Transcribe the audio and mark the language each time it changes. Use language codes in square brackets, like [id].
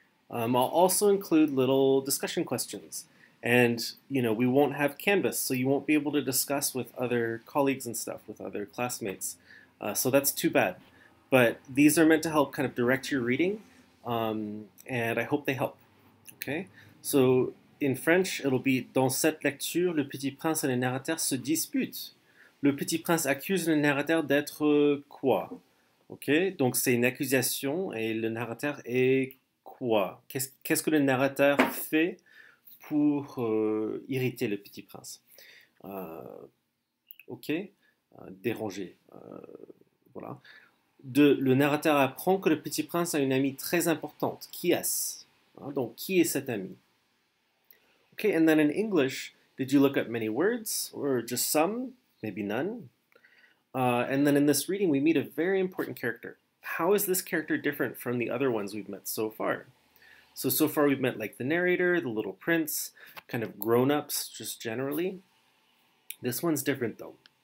[en] I'll also include little discussion questions. And you know, we won't have Canvas, so you won't be able to discuss with other colleagues and stuff, with other classmates. So that's too bad. But these are meant to help kind of direct your reading, and I hope they help. Okay? So in French, it'll be [fr] dans cette lecture, le petit prince et le narrateur se disputent. Le petit prince accuse le narrateur d'être quoi? Ok, donc c'est une accusation et le narrateur est quoi? Qu'est-ce que le narrateur fait pour irriter le petit prince? Ok, déranger. Voilà. De, le narrateur apprend que le petit prince a une amie très importante. Qui est-ce? Hein, donc, qui est cette amie? [en] Okay, and then in English, did you look up many words or just some? Maybe none. And then in this reading, we meet a very important character. How is this character different from the other ones we've met so far? So far we've met like the narrator, the little prince, kind of grown-ups, just generally. This one's different though.